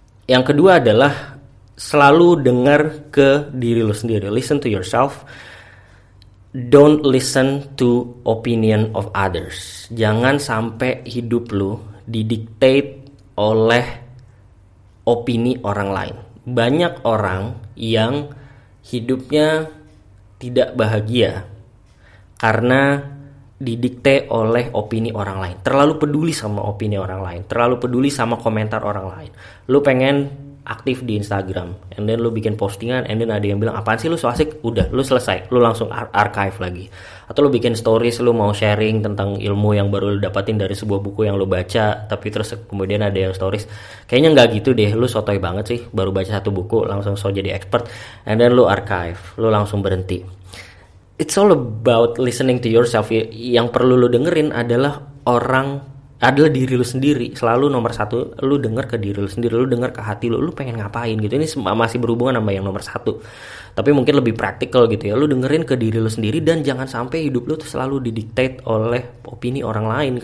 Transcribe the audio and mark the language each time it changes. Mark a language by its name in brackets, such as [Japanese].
[Indonesian] Yang kedua adalah selalu dengar ke diri lu sendiri. [English] Listen to yourself. Don't listen to opinion of others. [Indonesian] Jangan sampai hidup lu didictate oleh opini orang lain. Banyak orang yang hidupnya tidak bahagia karena didikte oleh opini orang lain. Terlalu peduli sama opini orang lain, terlalu peduli sama komentar orang lain. Lu pengen aktif di Instagram, and then lu bikin postingan, and then ada yang bilang, apaan sih lu so asik? Udah, lu selesai, lu langsung archive lagi. Atau lu bikin stories, lu mau sharing tentang ilmu yang baru lu dapatin dari sebuah buku yang lu baca, tapi terus kemudian ada yang stories, kayaknya gak gitu deh, lu sotoy banget sih, baru baca satu buku, langsung so jadi expert, and then lu archive, lu langsung berhenti. [English] It's all about listening to yourself. [Indonesian] Yang perlu lu dengerin adalah orang, adalah diri lu sendiri. Selalu nomor satu, lu denger ke diri lu sendiri, lu denger ke hati lu, lu pengen ngapain gitu. Ini masih berhubungan sama yang nomor satu, tapi mungkin lebih praktikal gitu ya. Lu dengerin ke diri lu sendiri, dan jangan sampai hidup lu tuh selalu didiktate oleh opini orang lain.